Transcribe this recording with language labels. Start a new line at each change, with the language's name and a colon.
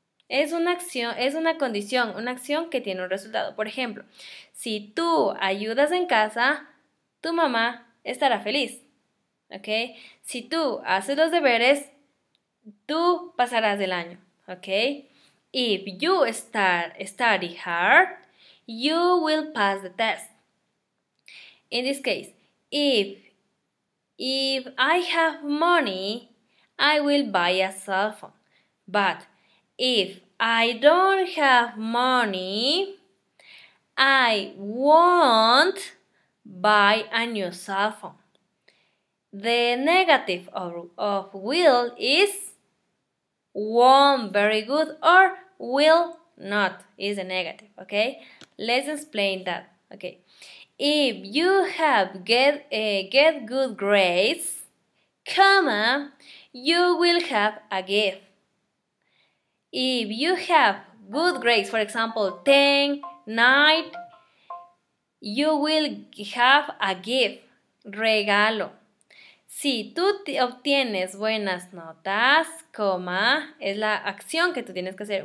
Spanish: Es una acción, es una acción que tiene un resultado. Por ejemplo, si tú ayudas en casa, tu mamá estará feliz, ¿ok? Si tú haces los deberes, tú pasarás el año, ¿ok?
English: If you study hard, you will pass the test. In this case, if I have money, I will buy a cell phone. But if I don't have money, I won't buy a new cell phone. The negative of will is won't, very good, or will not is a negative, okay? Let's explain that, okay? If you have get good grades, comma, you will have a gift. If you have good grades, for example, 10, 9, you will have a gift, regalo.
Spanish: Si tú obtienes buenas notas, coma, es la acción que tú tienes que hacer.